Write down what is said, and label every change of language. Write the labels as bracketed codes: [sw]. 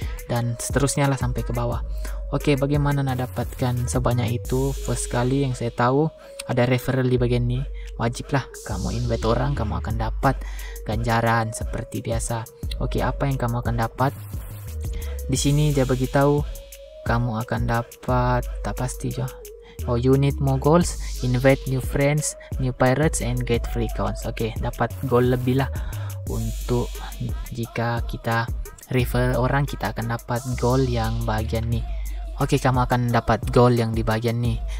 [ms] dan seterusnya lah sampai ke bawah. Oke, bagaimana nak dapatkan sebanyak itu? First kali yang saya tahu ada referral di bagian ni. Wajiblah kamu invite orang, kamu akan dapat ganjaran seperti biasa. Oke, apa yang kamu akan dapat? Di sini dia bagi tahu kamu akan dapat, tak pasti jo. [en] Oh, you need more goals, invite new friends, new pirates and get free coins. [ms] Oke, dapat goal lebih lah. Untuk jika kita refer orang, kita akan dapat goal yang bagian ni. Oke, kamu akan dapat goal yang di bagian ni.